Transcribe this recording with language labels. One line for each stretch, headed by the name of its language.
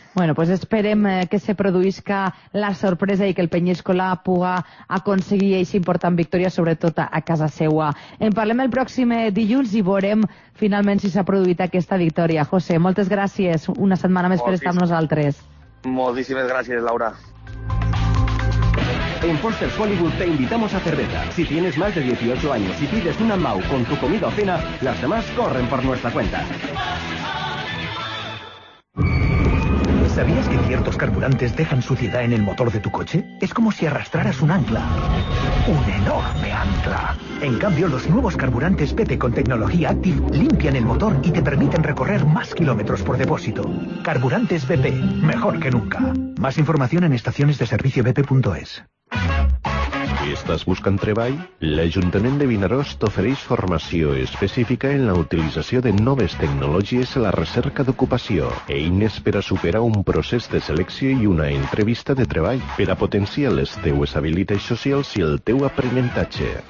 Catalan: Bueno, pues esperem que se produïsca la sorpresa i que el Penyiscola puga aconseguir aquesta important victòria, sobretot a casa seua. En parlem el pròxim dilluns i veurem finalment si s'ha produït aquesta victòria. José, moltes gràcies. Una setmana més per estar amb nosaltres. Moltíssimes gràcies, Laura.
Spanish: En Foster's Hollywood te invitamos a cerveza. Si tienes más de 18 años y pides una MAU con tu comida o cena, las demás corren por nuestra cuenta. ¿Sabías que ciertos carburantes dejan suciedad en el motor de tu coche? Es como si arrastraras un ancla. ¡Un enorme ancla! En cambio, los nuevos carburantes PT con tecnología Active limpian el motor y te permiten recorrer más kilómetros por depósito. Carburantes BP, mejor que nunca. Más información en estaciones de servicio bp.es.
Catalan: Estàs buscant treball? L'Ajuntament de Vinaròs t'ofereix formació específica en la utilització de noves tecnologies a la recerca d'ocupació. Eines per a superar un procés de selecció i una entrevista de treball per a potenciar les teues habilitats socials i el teu aprenentatge.